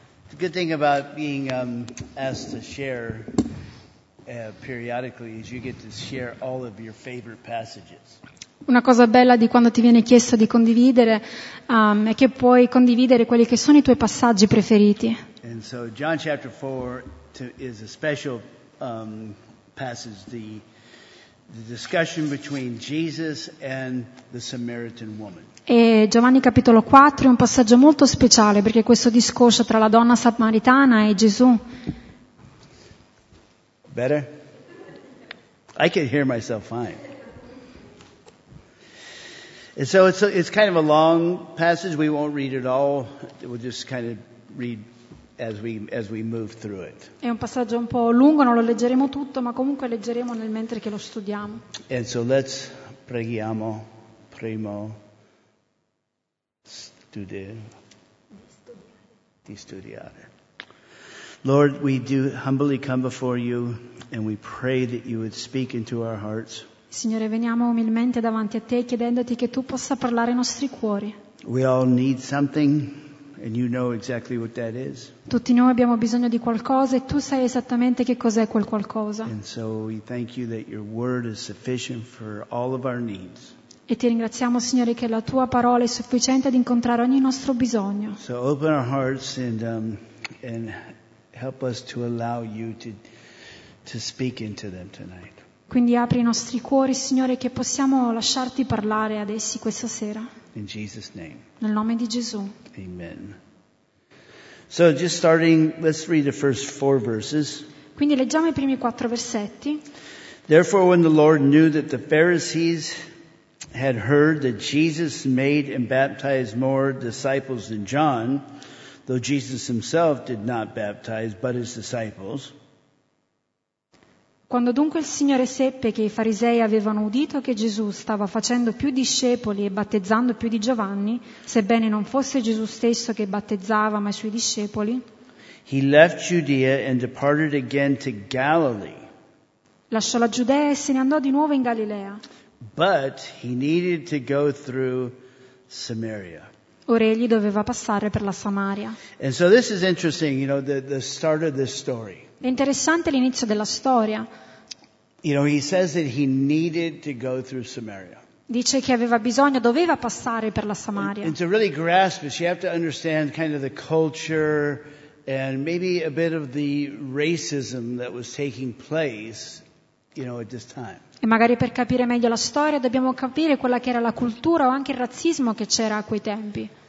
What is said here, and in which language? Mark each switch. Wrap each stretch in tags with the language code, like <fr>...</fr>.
<en>The good thing about being asked to share periodically is you get to share all of your favorite passages.</en> <it>Una cosa bella di quando ti viene chiesto di condividere è che puoi condividere quelli che sono i tuoi passaggi preferiti.</it> <en>And so John chapter 4 is a special passage, the discussion between Jesus and the Samaritan woman.</en> <it>E Giovanni capitolo 4 è un passaggio molto speciale perché questo discorso tra la donna samaritana e Gesù.</it> <en>Better? I can hear myself fine. And so it's kind of a long passage. We won't read it all. We'll just kind of read as we move through it.</en> <it>È un passaggio un po' lungo, non lo leggeremo tutto, ma comunque leggeremo nel mentre che lo studiamo.</it> <en>And so let's</en> <it>preghiamo primo di studiare.</it> <en>Lord, we do humbly come before you and we pray that you would speak into our hearts.</en> <it>Signore, veniamo umilmente davanti a te chiedendoti che tu possa parlare ai nostri cuori.</it> <en>We all need something, and you know exactly what that is.</en> <it>Tutti noi abbiamo bisogno di qualcosa e tu sai esattamente che cos'è quel qualcosa.</it> <en>And so we thank you that your word is sufficient for all of our needs.</en> <it>E ti ringraziamo, Signore, che la tua parola è sufficiente ad incontrare ogni nostro bisogno.</it> <en>So open our hearts and help us to allow you to speak into them tonight.</en> <it>Quindi apri i nostri cuori, Signore, che possiamo lasciarti parlare ad essi questa sera.</it> <en>In Jesus' name.</en> <it>Nel nome di Gesù.</it> <en>Amen. So just starting, let's read the first four verses.</en> <it>Quindi leggiamo i primi quattro versetti.</it> <en>Therefore, when the Lord knew that the Pharisees had heard that Jesus made and baptized more disciples than John, though Jesus himself did not baptize but his disciples.</en> <it>Quando dunque il Signore seppe che i farisei avevano udito che Gesù stava facendo più discepoli e battezzando più di Giovanni, sebbene non fosse Gesù stesso che battezzava ma i suoi discepoli,</it> <en>he left Judea and departed again to Galilee.</en> <it>Lasciò la Giudea e se ne andò di nuovo in Galilea.</it> <en>But he needed to go through Samaria.</en> <it>Ora egli doveva passare per la Samaria.</it> <en>And so this is interesting, you know, the start of this story.</en> <it>È interessante l'inizio della storia.</it> <en>You know, he says that he needed to go through Samaria.</en> <it>Dice che aveva bisogno, doveva passare per la Samaria.</it> <en>And to really grasp it, you have to understand kind of the culture and maybe a bit of the racism that was taking place, you know, at this time.</en> <it>E magari per capire meglio la storia dobbiamo capire quella che era la cultura o anche il razzismo che c'era a quei tempi.</it>